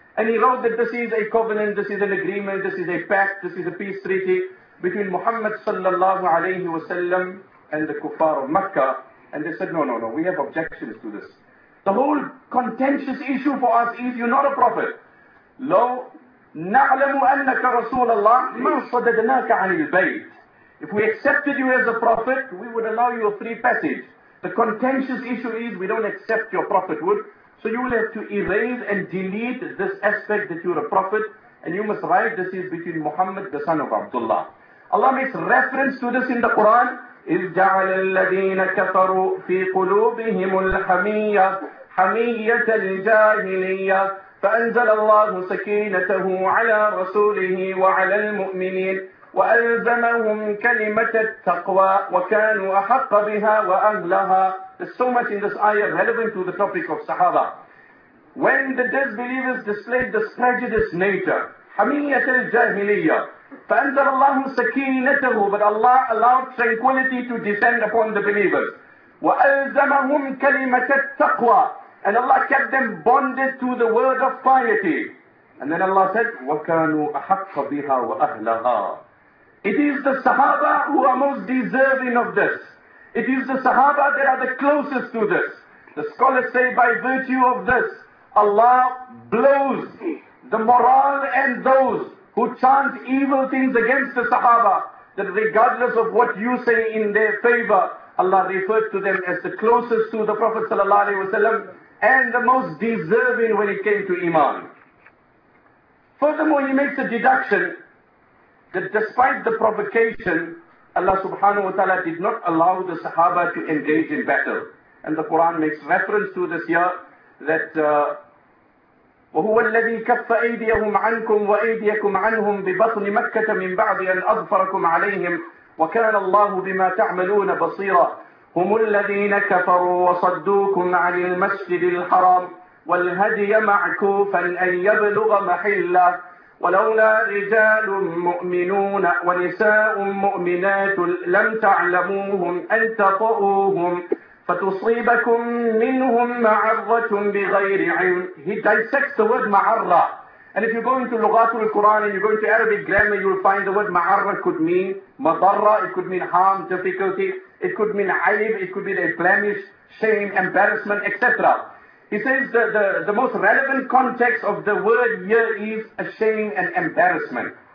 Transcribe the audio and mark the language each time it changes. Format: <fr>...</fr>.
<en>And he wrote that this is a covenant, this is an agreement, this is a pact, this is a peace treaty. Between Muhammad sallallahu alayhi wa sallam and the kuffar of Mecca, and they said, no, we have objections to this. The whole contentious issue for us is you're not a prophet.</en> <ar>لو نعلم أنك رسول الله ما صددناك عن البيت.</ar> <en>If we accepted you as a prophet, we would allow you a free passage. The contentious issue is we don't accept your prophethood, so you will have to erase and delete this aspect that you're a prophet, and you must write this is between Muhammad, the son of Abdullah. Allah makes reference to this in the Quran.</en> <ar>إِذْ جَعَلَ الَّذِينَ كَفَرُوا فِي قُلُوبِهِمُ الْحَمِيَّةِ حَمِيَّةَ الْجَاهِلِيَّةِ فَأَنْزَلَ اللَّهُ سَكِينَتَهُ عَلَى رَسُولِهِ وَعَلَى الْمُؤْمِنِينَ وَأَلْزَمَهُمْ كَلِمَةَ التَّقْوَى وَكَانُوا أَحَقَّ بِهَا وَأَهْلَهَا</ar> <en>There's so much in this ayah relevant to the topic of Sahaba. When the disbelievers displayed this prejudiced nature,</en> <ar>حَمِيَّةَ الْجَاهِلِيَّةِ فَأَنْزَلَ اللَّهُ سَكِينَتَهُ</ar> <en>But Allah allowed tranquility to descend upon the believers.</en> <ar>وَأَلْزَمَهُمْ كَلِمَةَ التَّقْوَى</ar> <en>And Allah kept them bonded to the word of piety. And then Allah said,</en> <ar>وَكَانُوا أَحَقَّ بِهَا وَأَهْلَهَا</ar> <en>It is the Sahaba who are most deserving of this. It is the Sahaba that are the closest to this. The scholars say by virtue of this, Allah blows the morale and those who chant evil things against the Sahaba, that regardless of what you say in their favor, Allah referred to them as the closest to the Prophet sallallahu alaihi wasallam and the most deserving when it came to Iman. Furthermore, he makes a deduction that despite the provocation, Allah subhanahu wa ta'ala did not allow the Sahaba to engage in battle. And the Quran makes reference to this here that</en> <ar>وَهُوَ الَّذِي كَفَّ أَيْدِيَهُمْ عَنْكُمْ وَأَيْدِيَكُمْ عَنْهُمْ بِبَطْنِ مَكَّةَ مِنْ بَعْدِ أَنْ أَظْفَرَكُمْ عَلَيْهِمْ وَكَانَ اللَّهُ بِمَا تَعْمَلُونَ بَصِيرًا هُمُ الَّذِينَ كَفَرُوا وَصَدُّوكُمْ عَنِ الْمَسْجِدِ الْحَرَامِ وَالْهَدْيَ مَعْكُوفًا أَنْ يَبْلُغَ مَحِلَّهُ ولولا رجال مؤمنون ونساء مؤمنات لم تعلموهم أن تطؤوهم فتصيبكم منهم معرة بغير علم.</ar> <en>He dissects the word معرة. And if you go into Lughatul Quran and you go into Arabic grammar, you'll find the word معرة could mean مضرة, it could mean harm, difficulty, it could mean عيب, it could mean a blemish, shame, embarrassment, etc. He says the most relevant context of the word here is a shame and embarrassment.</en>